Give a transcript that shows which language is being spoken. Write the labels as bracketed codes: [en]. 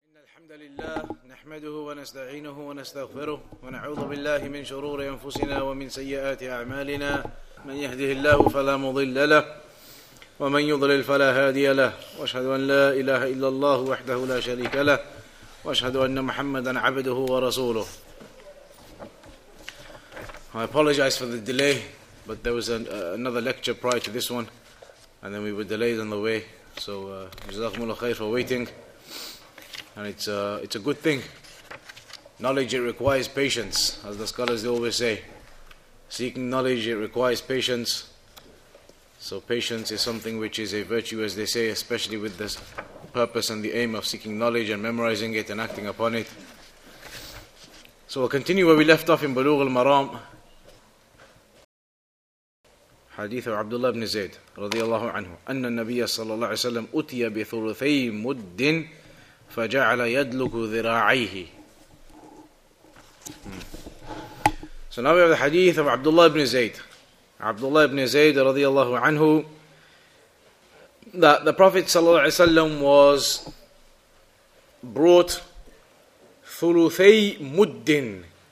[ar] الحمد لله نحمده ونستعينه ونستغفره ونعوذ بالله من شرور أنفسنا ومن سيئات أعمالنا من يهده الله فلا مضل له ومن يضلل فلا هادي له وأشهد أن لا إله إلا الله وحده لا شريك له وأشهد أن محمدا عبده ورسوله. [en] I apologize for the delay, but there was another lecture prior to this one, and then we were delayed on the way. So [ar] جزاكم الله خير [en] for waiting. And it's a good thing. Knowledge, it requires patience, as the scholars always say. Seeking knowledge, it requires patience. So patience is something which is a virtue, as they say, especially with this purpose and the aim of seeking knowledge and memorizing it and acting upon it. So we'll continue where we left off in Bulugh al-Maram. [ar] حديث عبد الله بن زيد رضي الله عنه أن النبي صلى الله عليه وسلم أتي بثلثي مد فجعل يدلك ذراعيه. [en] So now we have the hadith of Abdullah ibn Zayd. Abdullah ibn Zayd radiallahu anhu, that the Prophet sallallahu alaihi wasallam was brought thuluthay muddin.